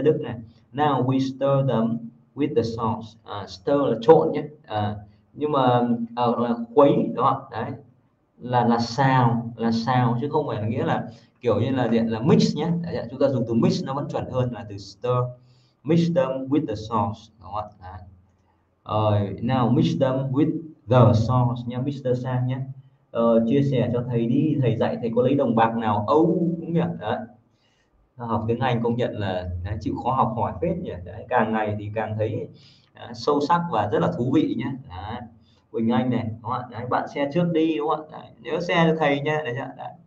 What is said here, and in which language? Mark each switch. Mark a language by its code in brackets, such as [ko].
[vi] Đức này. [en] Now we stir them with the sauce. [vi] Stir là trộn nhé. Nhưng mà là quấy, đó, đấy. Là xào chứ không phải là nghĩa là kiểu như là điện là mix nhé. Đấy, chúng ta dùng từ mix nó vẫn chuẩn hơn là từ stir. [en] Mix them with the sauce, [vi] đúng không ạ? Rồi, [en] now mix them with the sauce [vi] nhé, [en] Mr. [vi] Sang nhé. Chia sẻ cho thầy đi, thầy dạy thầy có lấy đồng bạc nào Âu cũng nhỉ? Đấy. Học tiếng Anh công nhận là đấy, chịu khó học hỏi phết nhỉ? Đấy, càng ngày thì càng thấy sâu sắc và rất là thú vị nhé. Đấy. Quỳnh Anh này, đúng không ạ? Đấy, bạn share trước đi, đúng không ạ? Nhớ share cho thầy nha, đấy chưa?